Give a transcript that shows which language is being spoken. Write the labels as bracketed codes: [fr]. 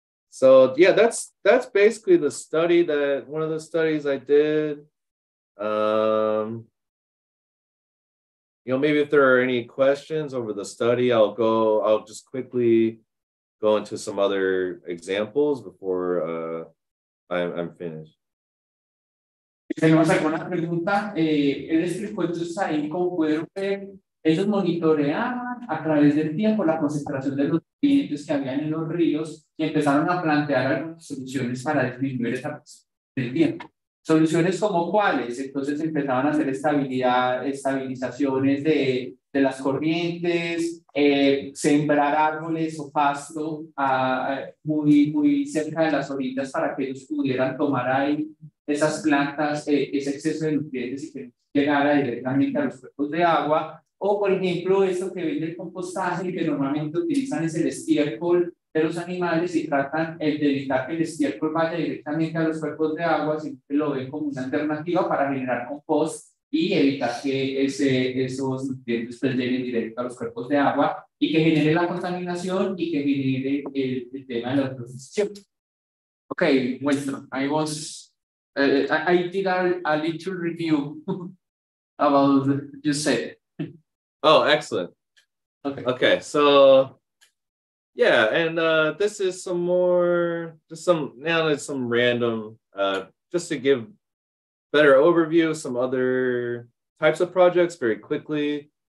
[en] So yeah, that's basically the study, that one of the studies I did. You know, maybe if there are any questions over the study, I'll just quickly go into some other examples before I'm finished. [es] tenemos alguna pregunta, él explicó entonces ahí cómo pudieron ver, ellos monitoreaban a través del tiempo la concentración de los nutrientes que habían en los ríos y empezaron a plantear algunas soluciones para disminuir esa concentración del tiempo. ¿Soluciones como cuáles? Entonces empezaban a hacer estabilizaciones de las corrientes, sembrar árboles o pasto muy, muy cerca de las orillas para que ellos pudieran tomar ahí esas plantas, ese exceso de nutrientes y que llegara directamente a los cuerpos de agua. O, por ejemplo, eso que vende el compostaje, que normalmente utilizan es el estiércol de los animales y tratan de evitar que el estiércol vaya directamente a los cuerpos de agua, siempre lo ven como una alternativa para generar compost y evitar que esos nutrientes lleguen directo a los cuerpos de agua y que genere la contaminación y que genere el tema de la transición. Ok, muestro. [en] I did a little review about what you said. Oh, excellent. Okay, so yeah, and this is some more, just some, now there's some random, just to give better overview, some other types of projects very quickly.